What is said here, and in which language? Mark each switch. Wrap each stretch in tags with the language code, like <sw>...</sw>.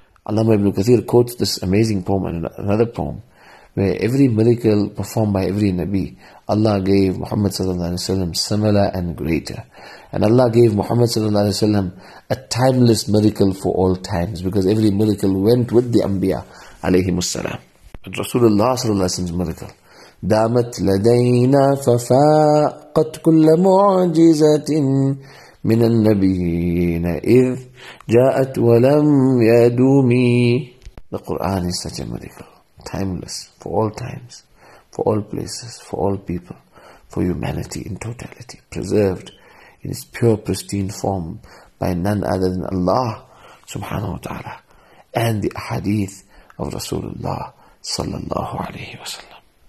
<en>Allama ibn Kathir quotes this amazing poem and another poem where every miracle performed by every Nabi, Allah gave Muhammad sallallahu alayhi wa sallam similar and greater. And Allah gave Muhammad sallallahu alayhi wa sallam a timeless miracle for all times, because every miracle went with the Anbiya alayhi wa sallam.</en> <ar>الرسول الله صلى الله عليه وسلم ذكر دامت لدينا ففاقت كل معجزة من النبيين إذ جاءت ولم يدومي.</ar> <en>The Quran is such a miracle, timeless, for all times, for all places, for all people, for humanity in totality, preserved in its pure, pristine form by none other than Allah subhanahu wa ta'ala and the hadith of Rasulullah sallallahu alayhi wa sallam.</en>